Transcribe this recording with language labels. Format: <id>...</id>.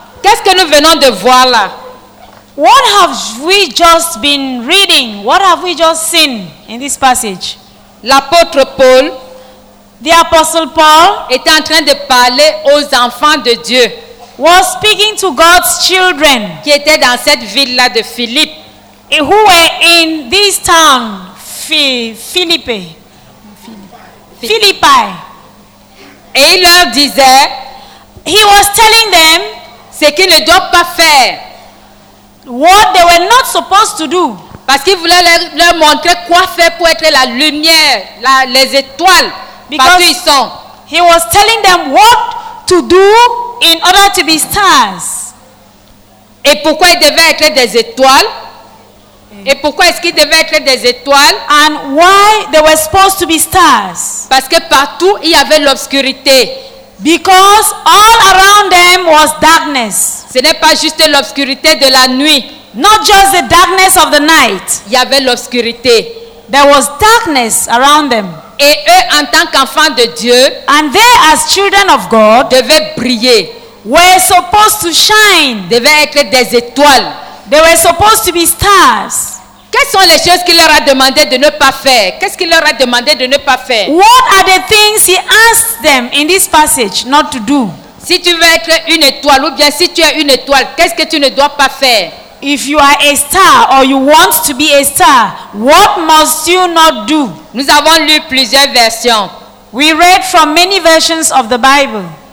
<fr>Qu'est-ce que nous venons de voir là?</fr> <en>What have we just been reading? What have we just seen in this passage?</en> <fr>L'apôtre Paul,</fr> <en>the apostle Paul,</en> <fr>est en train de parler aux enfants de Dieu.</fr> <en>Was speaking to God's children.</en> <fr>Qui étaient dans cette ville-là de Philippe.</fr> <en>And who were in this town, Philippe. Philippi.</en> <fr>Et il leur disait,</fr> <en>he was telling them,</en> <fr>ce qu'ils ne doivent pas faire.</fr> <en>What they were not supposed to do.</en> <fr>Parce qu'il voulait leur montrer quoi faire pour être la lumière, les étoiles, parce qu'ils sont.</fr> <en>He was telling them what to do in order to be stars.</en> <fr>Et pourquoi ils devaient être des étoiles? Et pourquoi est-ce qu'ils devaient être des étoiles?</fr> <en>And why they were supposed to be stars?</en> <fr>Parce que partout il y avait l'obscurité.</fr> <en>Because all around them was darkness.</en> <fr>Ce n'est pas juste l'obscurité de la nuit.</fr> <en>Not just the darkness of the night.</en> <fr>Il y avait l'obscurité.</fr> <en>There was darkness around them.</en> <fr>Et eux, en tant qu'enfants de Dieu,</fr> <en>and they, as children of God,</en> <fr>devaient briller.</fr> <en>Were supposed to shine.</en> <fr>Devaient être des étoiles.</fr> <en>They were supposed to be stars.</en> <fr>Quelles sont les choses qu'il leur a demandé de ne pas faire? Qu'est-ce qu'il leur a demandé de ne pas faire?</fr> <en>What are the things he asked them in this passage not to do?</en> <fr>Si tu veux être une étoile, ou bien si tu es une étoile, qu'est-ce que tu ne dois pas faire?</fr> <en>If you are a star or you want to be a star, what must you not do?</en> <fr>Nous avons lu plusieurs versions.</fr> <en>We read from many versions of the Bible.</en>